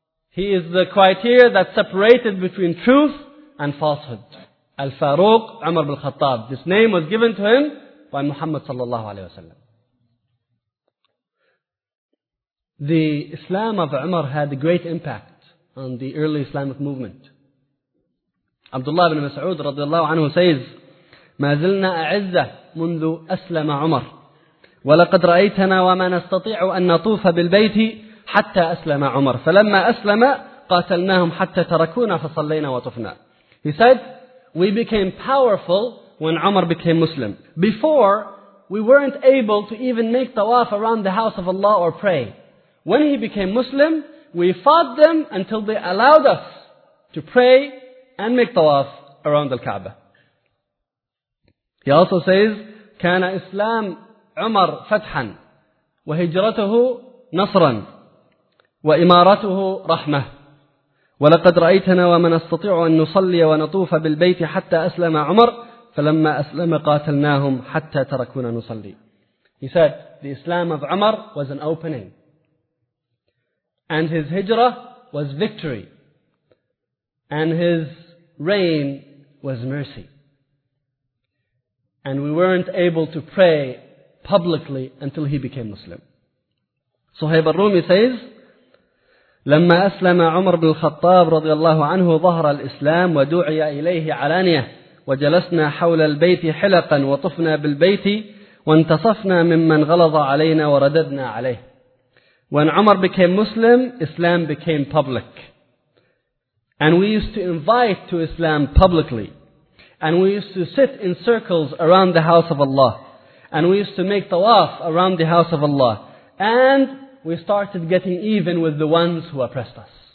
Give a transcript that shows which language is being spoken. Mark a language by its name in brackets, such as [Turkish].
[English] He is the criteria that separated between truth and falsehood. Al-Faruq, Umar bin Khattab. This name was given to him by Muhammad sallallahu alayhi wa sallam. The Islam of Umar had a great impact on the early Islamic movement. [Arabic] Abdullah ibn Mas'ud radiallahu anhu says, مَا زِلْنَا أَعِزَّةِ مُنْذُ أَسْلَمَ عُمَرُ وَلَقَدْ رَأَيْتَنَا وَمَا نَسْتَطِيعُ أَنْ نَطُوفَ بِالْبَيْتِ حَتَّى أَسْلَمَ عُمَرُ فَلَمَّا أَسْلَمَ قَاتَلْنَاهُمْ حَتَّى تَرَكُونَ فَصَلَّيْنَا وَطُفْنَا. [English] He said, we became powerful when Umar became Muslim. Before, we weren't able to even make tawaf around the house of Allah or pray. When he became Muslim, we fought them until they allowed us to pray and make tawaf around the Kaaba. He also says, [Arabic] كَانَ إِسْلَامْ عُمَرْ فَتْحًا وَهِجْرَتُهُ نَصْرًا وَإِمَارَتُهُ رَحْمَةً وَلَقَدْ رَأَيْتَنَا وَمَنَ اسْتَطِيعُ أَنْ نُصَلِّيَ وَنَطُوفَ بِالْبَيْتِ حَتَّى أَسْلَمَ عُمَرْ فَلَمَّا أَسْلَمَ قَاتَلْنَاهُمْ حَتَّى تَرَكُونَ نُصَلِّي. [English] He said, the Islam of Umar was an opening. And his hijrah was victory. And his reign was mercy. And we weren't able to pray publicly until he became Muslim. [Arabic] Suhayb al-Rumi says, لما أسلم عمر بن الخطاب رضي الله عنه ظهر الإسلام ودعي إليه علانية وجلسنا حول البيت حلقا وطفنا بالبيت وانتصفنا ممن غلظ علينا ورددنا عليه. [English] When Umar became Muslim, Islam became public. And we used to invite to Islam publicly. And we used to sit in circles around the house of Allah. And we used to make tawaf around the house of Allah. And we started getting even with the ones who oppressed us.